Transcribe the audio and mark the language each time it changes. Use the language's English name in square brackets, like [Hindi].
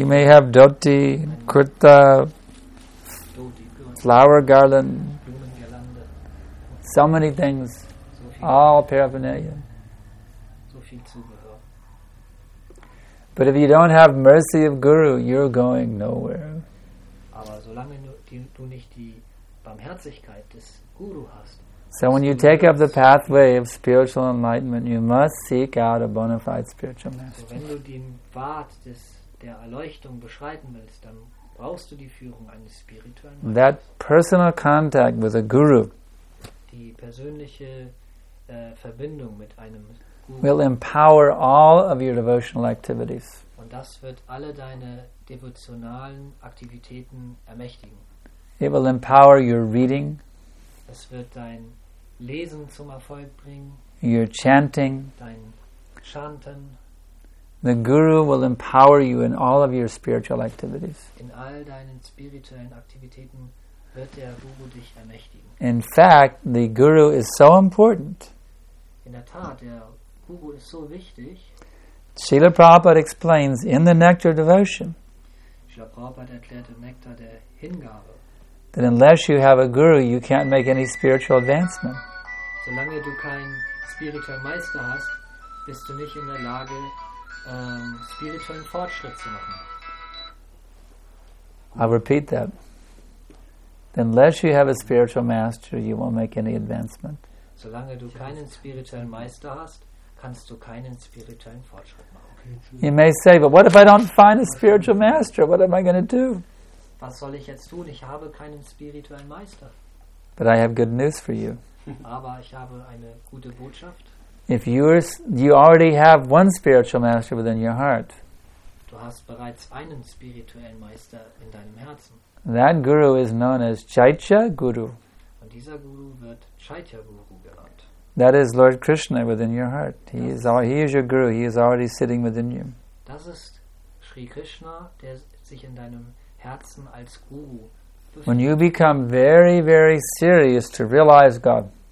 [English] You may have dhoti, kurta, flower garland. So many things, so [German] viel [English] all paraphernalia. [German] So viel Zubehör. [English] But if you don't have mercy of Guru, you're going nowhere. [German] Aber solange du nicht die Barmherzigkeit des Guru hast. [English] So when you take up the pathway of spiritual enlightenment, you must seek out a bona fide spiritual master. [German] So wenn du den Pfad der Erleuchtung beschreiten willst, dann brauchst du die Führung eines spirituellen Meisters. [English] That personal contact with a Guru. [German] Die persönliche Verbindung mit einem [English] will empower all of your devotional activities. [German] Und das wird alle deine devotionalen Aktivitäten ermächtigen. [English] It will empower your reading. [German] Es wird dein Lesen zum Erfolg bringen. [English] Your chanting. [German] Dein Chanten. [English] The Guru will empower you in all of your spiritual activities. [German] In all deinen spirituellen Aktivitäten wird der Guru dich ermächtigen. [English] In fact, the Guru is so important. [German] In der Tat, der Guru ist so wichtig. [English] Srila Prabhupada explains in the Nectar Devotion. [German] Srila Prabhupada erklärt im Nektar der Hingabe. [English] That unless you have a guru, you can't make any spiritual advancement. [German] Solange du keinen spirituellen Meister hast, bist du nicht in der Lage, spirituellen Fortschritt zu machen. [English] I'll repeat that. Unless you have a spiritual master, you won't make any advancement. [German] Solange du keinen spirituellen Meister hast, kannst du keinen spirituellen Fortschritt machen. [English] You may say, but what if I don't find a spiritual master? What am I going to do? [German] Was soll ich jetzt tun? Ich habe keinen spirituellen Meister. [English] But I have good news for you. [German] Aber ich habe eine gute Botschaft. [English] If you already have one spiritual master within your heart. [German] Du hast bereits einen spirituellen Meister in deinem Herzen. [English] That guru is known as Chaitya Guru. [German] Und dieser Guru wird Chaitya Guru genannt. [English] That is Lord Krishna within your heart. He is your guru. He is already sitting within you. [German] Das ist Sri Krishna, der sich in deinem Herzen als Guru. [English] When you become very, very serious to realize God.